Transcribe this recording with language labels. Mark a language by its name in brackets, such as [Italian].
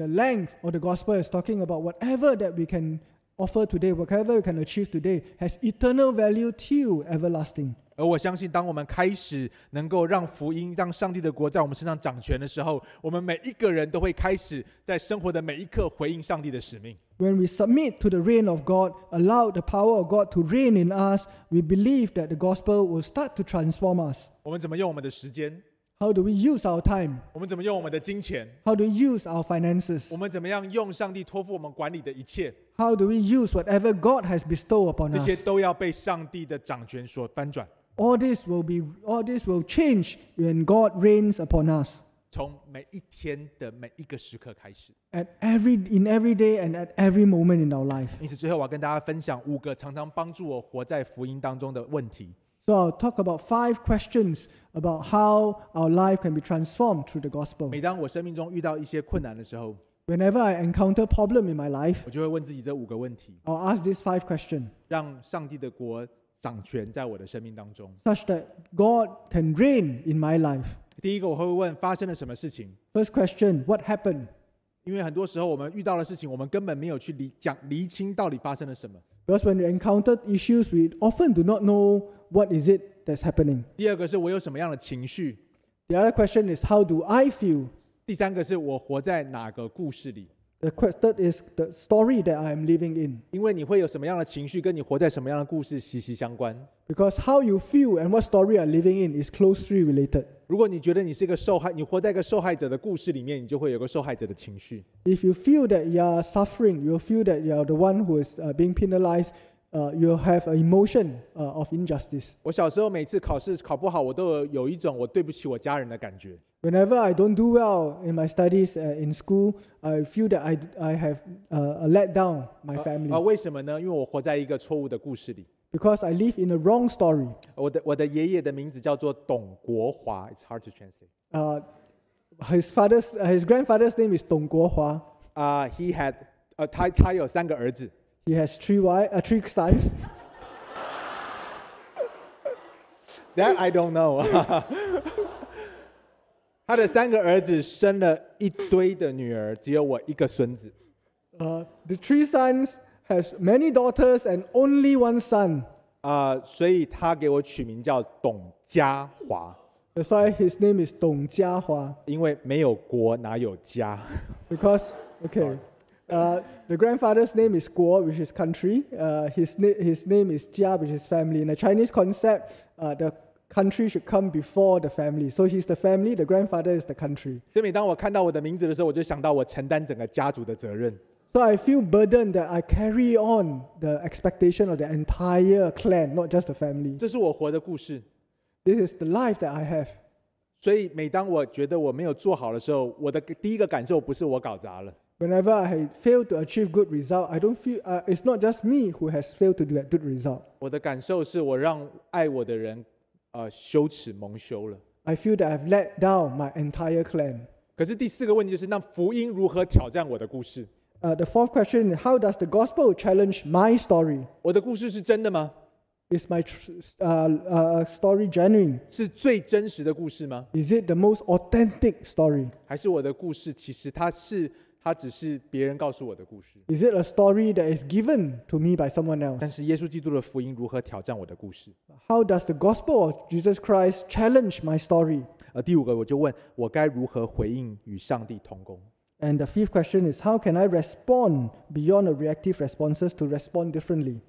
[English] And the length of the gospel is talking about whatever that we can offer today, whatever we can achieve today has eternal value till everlasting. [Chinese] 而我相信当我们开始能够让福音让上帝的国在我们身上掌权的时候，我们每一个人都会开始在生活的每一刻回应上帝的使命。 [English] When we submit to the reign of God, allow the power of God to reign in us, we believe that the gospel will start to transform us. [Chinese] 我们怎么用我们的时间？ [English] How do we use our time? [Chinese] 我们怎么用我们的金钱？ [English] How do we use our finances? [Chinese] 我们怎么样用上帝托付我们管理的一切？ [English] How do we use whatever God has bestowed upon us? [Chinese] 这些都要被上帝的掌权所翻转。 [English] All this will change when God reigns upon us. [Chinese] 从每一天的每一个时刻开始。 [English] In every day and at every moment in our life. [Chinese] 因此，最后我要跟大家分享五个常常帮助我活在福音当中的问题。 [English] So I'll talk about five questions about how our life can be transformed through the gospel. [Chinese] 每当我生命中遇到一些困难的时候 [English] ，Whenever I encounter problem in my life, [Chinese] 我就会问自己这五个问题。 [English] I'll ask these five questions. [Chinese] 让上帝的国掌权在我的生命当中 [English] ，such that God can reign in my life。 [Chinese] 第一个我会问发生了什么事情 [English] ？First question, what happened？ [Chinese] 因为很多时候我们遇到的事情，我们根本没有去厘清到底发生了什么。 [English] Because when we encounter issues, we often do not know what is it that's happening。 [Chinese] 第二个是我有什么样的情绪 [English] ？The other question is how do I feel？ [Chinese] 第三个是我活在哪个故事里？ [English] The question is the story that I am living in. [Chinese] 因为你会有什么样的情绪，跟你活在什么样的故事息息相关。 [English] Because how you feel and what story you are living in is closely related. [Chinese] 如果你觉得你是一个受害，你活在一个受害者的故事里面，你就会有个受害者的情绪。 [English] If you feel that you are suffering, you feel that you are the one who is being penalized, you have an emotion of injustice. [Chinese] 我小时候每次考试考不好，我都有一种我对不起我家人的感觉。 [English] Whenever I don't do well in my studies in school, I feel that I have let down my family. [Chinese] 为什么呢？因为我活在一个错误的故事里。 [English] Because I live in a wrong story. [Chinese] 我的爷爷的名字叫做董国华。 [English] It's hard to translate. His grandfather's name is 董国华。 He had [Chinese] 他有三个儿子。 [English] He has three sons. That I don't know. [Chinese] 他的三个儿子生了一堆的女儿，只有我一个孙子。 [English] The three sons has many daughters and only one son. [Chinese] 所以他给我取名叫董家华。 [English] That's why his name is 董家华。 [Chinese] 因为没有国哪有家。 [English] Because okay, the grandfather's name is 国 which is country. His name is 家 which is family. In the Chinese concept, the Country should come before the family. So he's the family. The grandfather is the country. [Chinese] 所以每当我看到我的名字的时候，我就想到我承担整个家族的责任。 [English] So I feel burdened that I carry on the expectation of the entire clan, not just the family. [Chinese] 这是我活的故事。 [English] This is the life that I have. [Chinese] 所以每当我觉得我没有做好的时候，我的第一个感受不是我搞砸了。 [English] Whenever I fail to achieve good result, I don't feel it's not just me who has failed to do that good result. [Chinese] 我的感受是我让爱我的人。羞耻蒙羞了。 [English] I feel that I've let down my entire clan. [Chinese] 可是第四个问题就是，那福音如何挑战我的故事？ [English] The fourth question: How does the gospel challenge my story? [Chinese] 我的故事是真的吗？ [English] Is my story genuine? [Chinese] 是最真实的故事吗？ [English] Is it the most authentic story? [Chinese] 还是我的故事其实它只是别人告诉我的故事？ [English] Is it a story that is given to me by someone else? [Chinese] 但是耶稣基督的福音如何挑战我的故事？ [English] How does the gospel of Jesus Christ challenge my story? [Chinese] 第五个我就问，我该如何回应与上帝同工？ [English] And the fifth question is, how can I respond beyond the reactive responses to respond differently?